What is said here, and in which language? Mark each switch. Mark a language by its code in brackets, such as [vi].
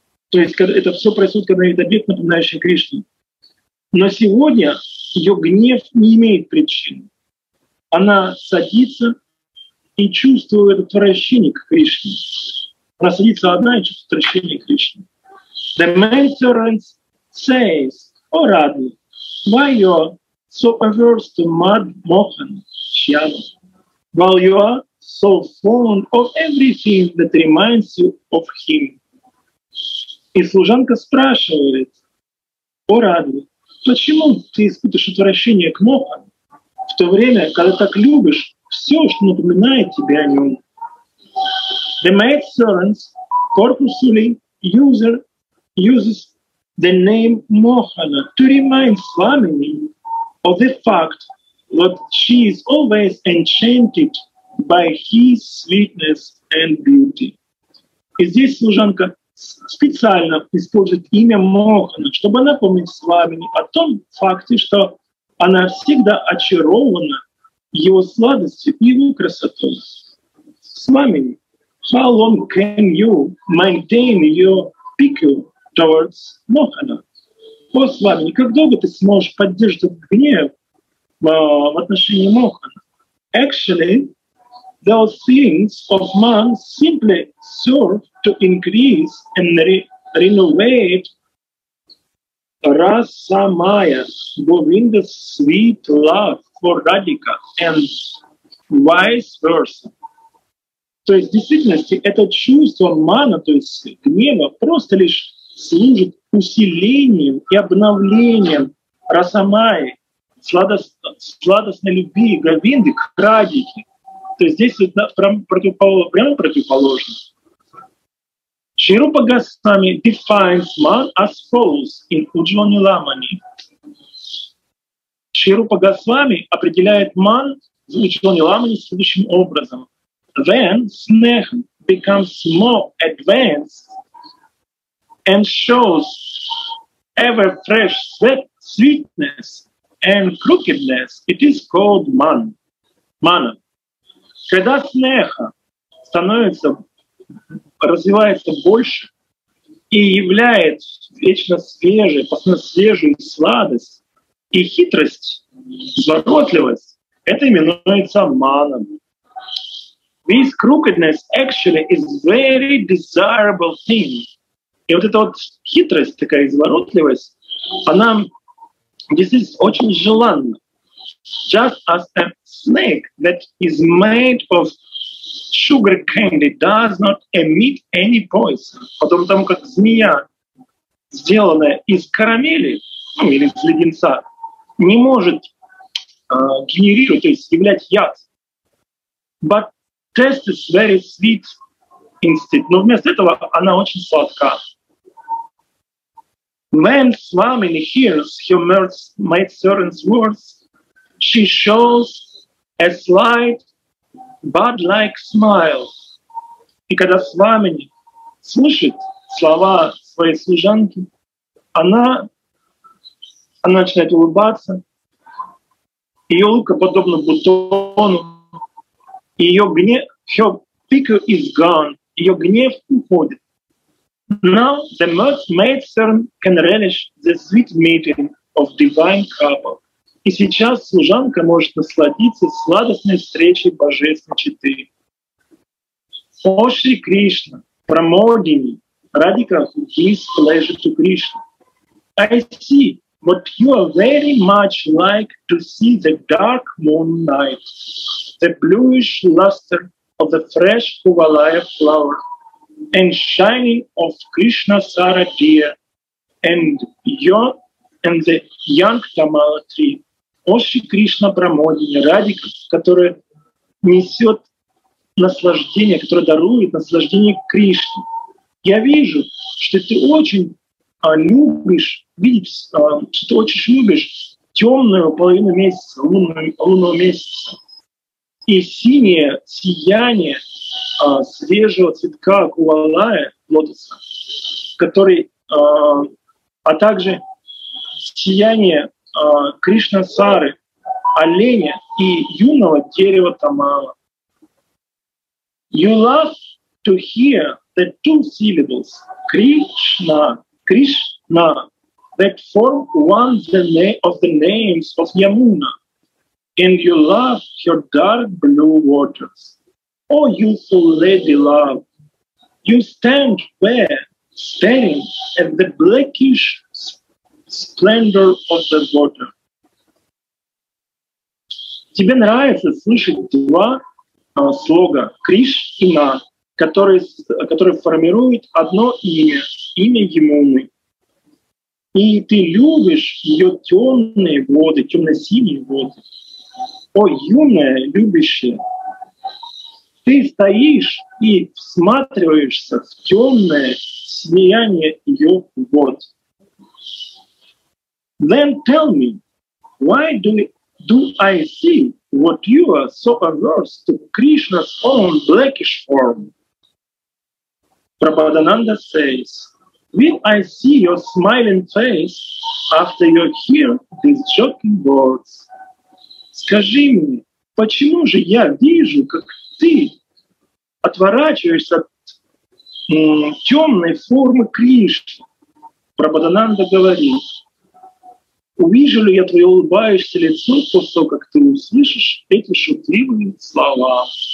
[ru] То есть это все происходит, когда видит объект, напоминающий Кришне. Но сегодня ее гнев не имеет причины. Она садится и чувствует отвращение к Кришне. Она садится одна и чувствует отвращение к Кришне. [en] The maidservant says, O Radhi, why you are so averse to mad mohan, shyam, while you are so fond of everything that reminds you of him? [ru] И служанка спрашивает, О Радхи, почему ты испытываешь отвращение к мохан, в то время, когда так любишь все, что напоминает тебе о нем? [en] The maidservant purposefully uses the name Mohana to remind Swamini of the fact that she is always enchanted by his sweetness and beauty. [ru] И здесь служанка специально использует имя Мохана, чтобы напомнить Свамини о том факте, что она всегда очарована его сладостью и его красотой. [en] Свамини, how long can you maintain your pique towards Mohana? [ru] О, Свамини, как долго ты сможешь поддерживать гнев в отношении Мохана? [en] Actually, those things of man simply serve to increase and renovate rasa maya, Govinda's sweet love for Radhika, and vice versa. [ru] То есть, в действительности, это чувство мана, то есть гнева, просто лишь служит усилением и обновлением расамайи, сладостной любви Говинды к Радхике. То есть здесь это прямо противоположно. [en] Шри Рупа Госвами defines man as follows in Ujjvani Lamani. [ru] Шри Рупа Госвами определяет ман в Ujjvani Lamani следующим образом. [en] When Sneha becomes more advanced and shows ever fresh sweetness and crookedness, it is called man, mana. [ru] Когда снеха становится, развивается больше и являет вечно свежей, постоянно свежую сладость и хитрость, заботливость, это именуется маном. [en] This crookedness actually is very desirable thing. [ru] И вот эта вот хитрость, такая изворотливость, она действительно очень желанна. [en] Just as a snake that is made of sugar candy does not emit any poison. [ru] Потом, как змея, сделанная из карамели, ну, или из леденца, не может генерировать, то есть являть яд. [en] But taste is very sweet instead. [ru] Но вместо этого она очень сладка. [en] When Swamini hears her maidservant's words, she shows a slight bud-like smile. [ru] И когда Свамини слышит слова своей служанки, она начинает улыбаться. Ее улыбка подобна бутону. Ее гнев, [en] her pique is gone. [ru] Ее гнев уходит. [en] Now the maidservant can relish the sweet meeting of divine couple. [ru] И сейчас служанка может насладиться сладостной встречей божественной четы. [en] О Шри Кришна, Прамодини, Радика, his pleasure to Krishna. I see what you are very much like to see the dark moon night, the bluish luster of the fresh Kuvalaya flower, and shining of Krishna Sara deer, and the young Tamala tree. [ru] Оши Кришна Прамодини, ради которой несет наслаждение, которое дарует наслаждение Кришне. Я вижу, что ты очень любишь, видишь, что ты очень любишь темную половину месяца, лунного месяца, и синее сияние свежего цветка гуалая, лотоса, который, а также сияние Кришна-сары, оленя и юного дерева тамала. [en] You love to hear the two syllables Krishna, Krishna, that form one the name of the names of Yamuna, and you love your dark blue waters. Oh, youthful lady love, you stand where, staring at the blackish splendor of the water. [ru] Тебе нравится слышать два слога Криш и На, которые формируют одно имя, имя Емуны. И ты любишь ее темные воды, темно-синие воды. О, юная любящая, ты стоишь и всматриваешься в темное сияние ее вод. [en] Then tell me, why do I see what you are so averse to Krishna's own blackish form? Prabhadananda says, will I see your smiling face after you hear these joking words? [ru] Скажи мне, почему же я вижу, как ты отворачиваешься от темной формы Кришны? Прабхадананда говорит, увижу ли я твое улыбающееся лицо после того, как ты услышишь эти шутливые слова?